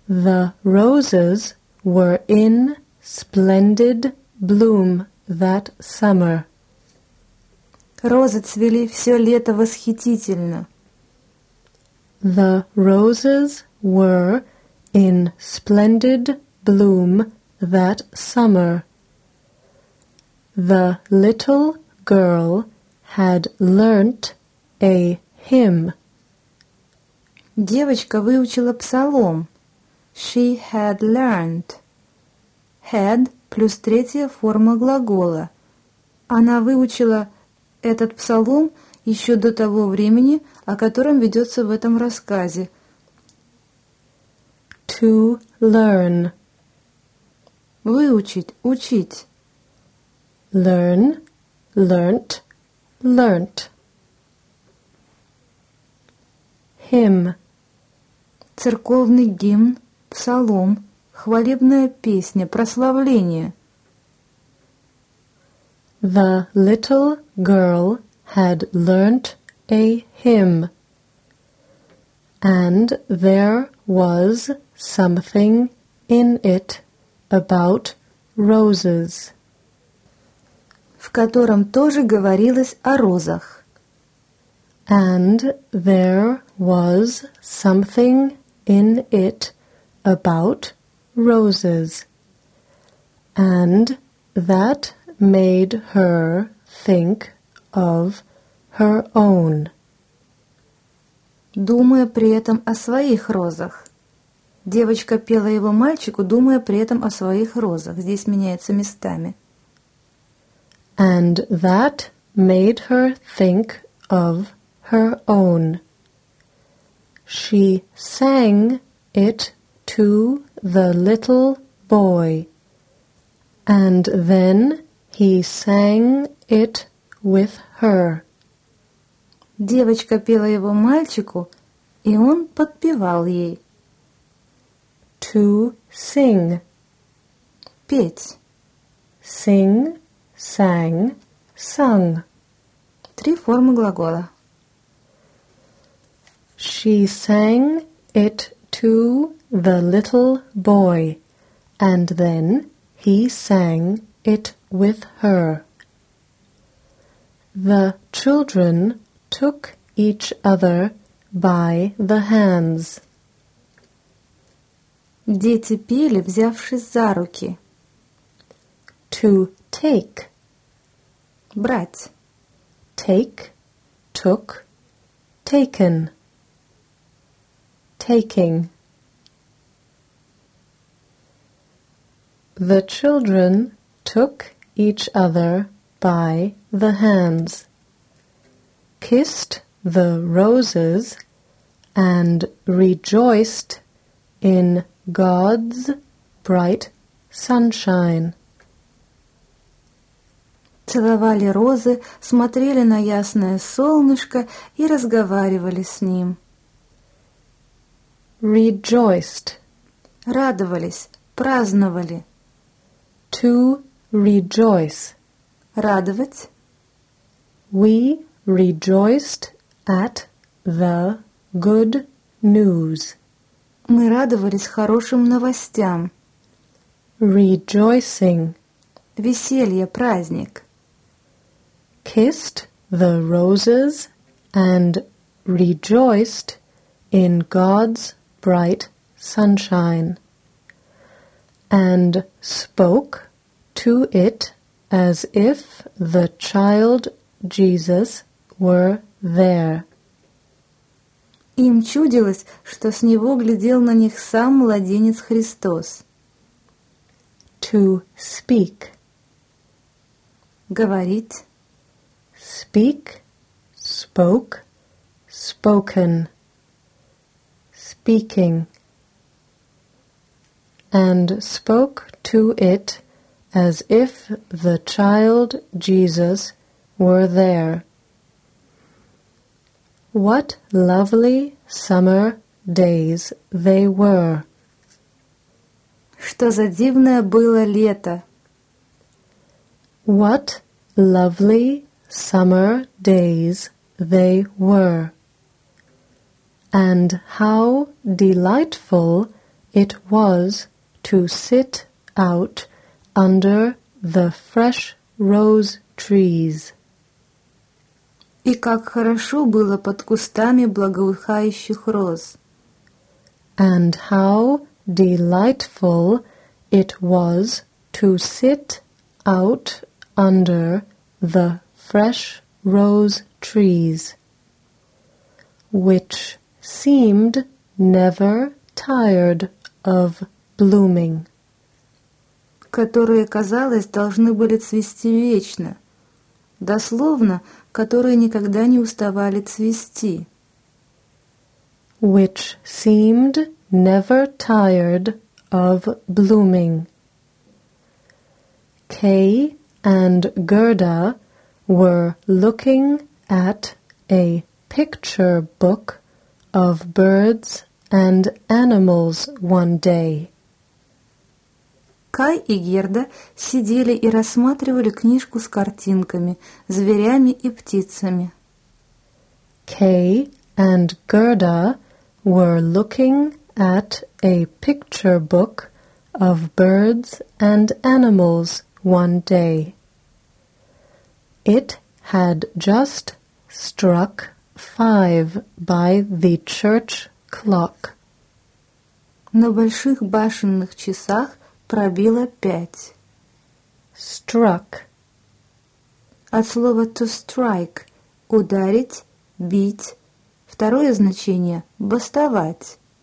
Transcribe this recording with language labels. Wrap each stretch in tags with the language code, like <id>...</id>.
<en>The roses were in splendid bloom that summer.</en> <ru>Розы цвели все лето восхитительно.</ru> <en>The roses were in splendid bloom that summer. The little girl had learnt a hymn.</en> <ru>Девочка выучила псалом.</ru> <en>She had learned.</en> <ru>Had плюс третья форма глагола. Она выучила этот псалом еще до того времени, о котором ведется в этом рассказе.</ru> <en>To learn.</en> <ru>Выучить, учить.</ru> <en>Learn, learnt, learnt. Hymn.</en> <ru>Церковный гимн. Псалом, хвалебная песня, прославление.</ru> <en>The little girl had learnt a hymn, and there was something in it about roses,</en> <ru>в котором тоже говорилось о розах.</ru> <en>And there was something in it about roses, and that made her think of her own.</en> <ru>Думая при этом о своих розах. Девочка пела его мальчику, думая при этом о своих розах. Здесь меняется местами.</ru> <en>And that made her think of her own. She sang it to the little boy, and then he sang it with her.</en> <ru>Девочка пела его мальчику, и он подпевал ей.</ru> <en>To sing.</en> <ru>Петь.</ru> <en>Sing, sang, sung.</en> <ru>Три формы глагола.</ru> <en>She sang it to the little boy, and then he sang it with her. The children took each other by the hands.</en> <ru>Дети пели, взявшись за руки.</ru> <en>To take.</en> <ru>Брать.</ru> <en>Take, took, taken. Taking. The children took each other by the hands, kissed the roses, and rejoiced in God's bright sunshine.</en> <ru>Целовали розы, смотрели на ясное солнышко и разговаривали с ним.</ru> <en>Rejoiced.</en> <ru>Радовались, праздновали.</ru> <en>To rejoice.</en> <ru>Радовать.</ru> <en>We rejoiced at the good news.</en> <ru>Мы радовались хорошим новостям.</ru> <en>Rejoicing.</en> <ru>Веселье, праздник.</ru> <en>Kissed the roses and rejoiced in God's bright sunshine. And spoke to it as if the child Jesus were there.</en> <ru>Им чудилось, что с него глядел на них сам младенец Христос.</ru> <en>To speak.</en> <ru>Говорить.</ru> <en>Speak, spoke, spoken. Speaking. And spoke to it as if the child Jesus were there. What lovely summer days they were.</en> <ru>Что за дивное было лето.</ru> <en>What lovely summer days they were. And how delightful it was to sit out under the fresh rose trees.</en> <ru>И как хорошо было под кустами благоухающих роз.</ru> <en>And how delightful it was to sit out under the fresh rose trees, which seemed never tired of blooming.</en> <ru>Которые, казалось, должны были цвести вечно. Дословно, которые никогда не уставали цвести.</ru> <en>Which seemed never tired of blooming. Kay and Gerda were looking at a picture book of birds and animals one day.</en> <ru>Кай и Герда сидели и рассматривали книжку с картинками, зверями и птицами.</ru> <en>Kay and Gerda were looking at a picture book of birds and animals one day. It had just struck 5 by the church clock.</en> <ru>На больших башенных часах пробило 5.</ru> <en>Struck.</en> <ru>От слова</ru> <en>to strike</en> <ru>– ударить, бить. Второе значение – бастовать.</ru>